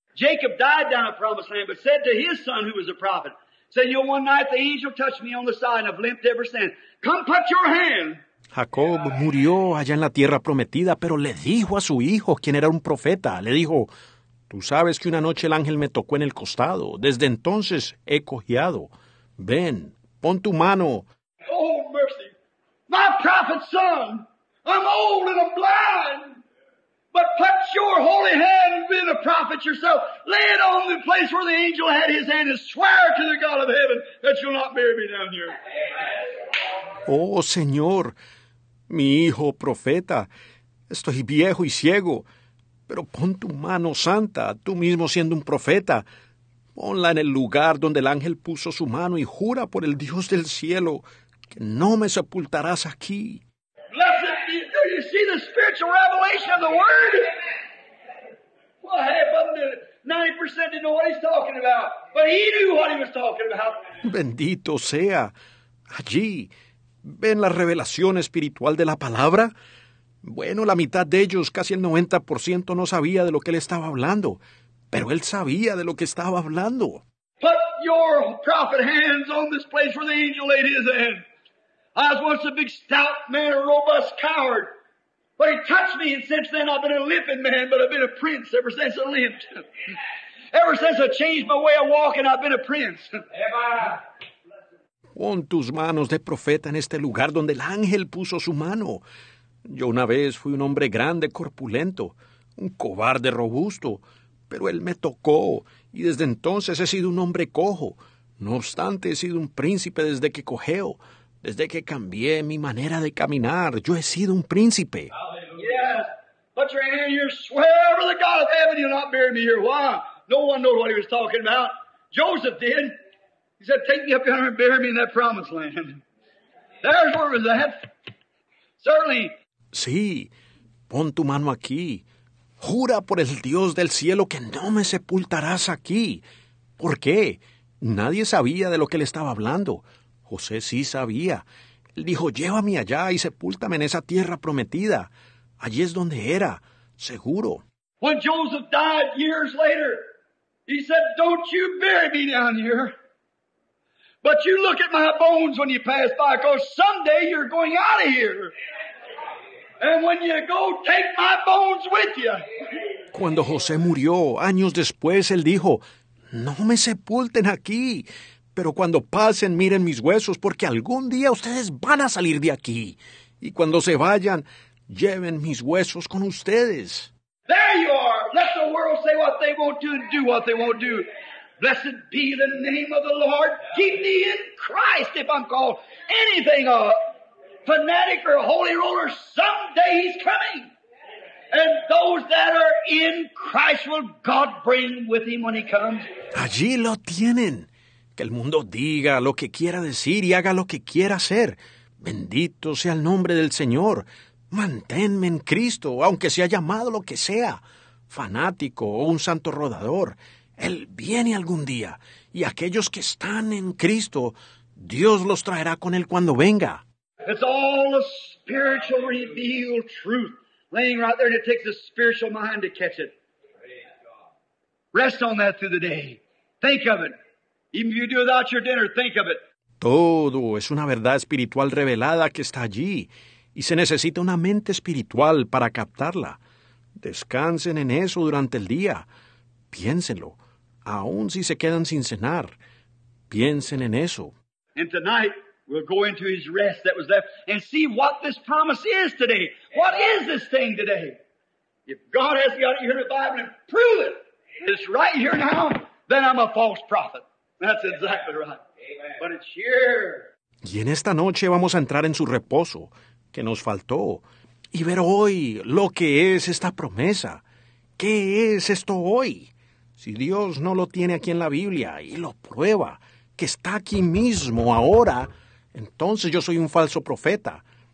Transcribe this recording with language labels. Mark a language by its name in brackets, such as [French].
[English] Jacob died down a promised land, but said to his son, who was a prophet, said, you know, one night the angel touched me on the side, and I've limped ever since. Come put your hand. [Spanish] Jacob murió allá en la tierra prometida, pero le dijo a su hijo, quien era un profeta, le dijo, tú sabes que una noche el ángel me tocó en el costado. Desde entonces he cojeado. Ven, pon tu mano. [English] Oh, mercy. My prophet's son. I'm old and I'm blind. But put your holy hand and be the prophet yourself. Lay it on the place where the angel had his hand and swear to the God of heaven that you'll not bury me down here. [Spanish] Oh, Señor, mi hijo profeta, estoy viejo y ciego, pero pon tu mano santa, tú mismo siendo un profeta, ponla en el lugar donde el ángel puso su mano y jura por el Dios del cielo que no me sepultarás aquí. [English] Blessed be, do you see the spiritual revelation of the word? What happened to it? 90% didn't know what he's talking about, but he knew what he was talking about. [Spanish] Bendito sea, allí. ¿Ven la revelación espiritual de la palabra? Bueno, la mitad de ellos, casi el 90%, no sabía de lo que él estaba hablando. Pero él sabía de lo que estaba hablando. [English] Put your prophet hands on this place where the angel laid his hand. I was once a big stout man, a robust coward. But he touched me, and since then I've been a limping man, but I've been a prince ever since I limped. Ever since I changed my way of walking, I've been a prince. [Spanish] Pon tus manos de profeta en este lugar donde el ángel puso su mano. Yo una vez fui un hombre grande, corpulento, un cobarde robusto, pero él me tocó y desde entonces he sido un hombre cojo. No obstante, he sido un príncipe desde que cojeo, desde que cambié mi manera de caminar. Yo he sido un príncipe. [English] Yes, put your hand here, swear to the God of heaven, you'll not bury me here. Why? No one knows what he was talking about. Joseph did. He said, take me up yonder and bury me in that promised land. There's where it was at. Certainly. [Spanish] Sí, pon tu mano aquí. Jura por el Dios del cielo que no me sepultarás aquí. ¿Por qué? Nadie sabía de lo que él estaba hablando. José sí sabía. Él dijo, llévame allá y sepúltame en esa tierra prometida. Allí es donde era, seguro. [English] When Joseph died years later, he said, don't you bury me down here. But you look at my bones when you pass by, because someday you're going out of here. And when you go, take my bones with you. [Spanish] Cuando José murió, años después, él dijo, no me sepulten aquí, pero cuando pasen, miren mis huesos, porque algún día ustedes van a salir de aquí. Y cuando se vayan, lleven mis huesos con ustedes. [English] There you are. Let the world say what they want to and do what they won't do. Blessed be the name of the Lord. Keep me in Christ if I'm called anything a fanatic or a holy roller. Someday he's coming. And those that are in Christ will God bring with him when he comes. [Spanish] Allí lo tienen. Que el mundo diga lo que quiera decir y haga lo que quiera hacer. Bendito sea el nombre del Señor. Manténme en Cristo, aunque sea llamado lo que sea, fanático o un santo rodador. Él viene algún día, y aquellos que están en Cristo, Dios los traerá con Él cuando venga. [English] It's all a spiritual revealed truth laying right there, and it takes a spiritual mind to catch it. Rest on that through the day. Think of it. Even if you do without your dinner, think of it. [Spanish] Todo es una verdad espiritual revelada que está allí, y se necesita una mente espiritual para captarla. Descansen en eso durante el día. Piénsenlo. Aún si se quedan sin cenar, piensen en eso. [English] And tonight we'll go into his rest that was left and see what this promise is today. What is this thing today? If God has got it here in the Bible and prove it, it's right here now, then I'm a false prophet. That's exactly right. Amen. But it's here. [Spanish] Y en esta noche vamos a entrar en su reposo, que nos faltó, y ver hoy lo que es esta promesa. ¿Qué es esto hoy? Si Dios no lo tiene aquí en la Biblia y lo prueba, que está aquí mismo ahora, entonces yo soy un falso profeta.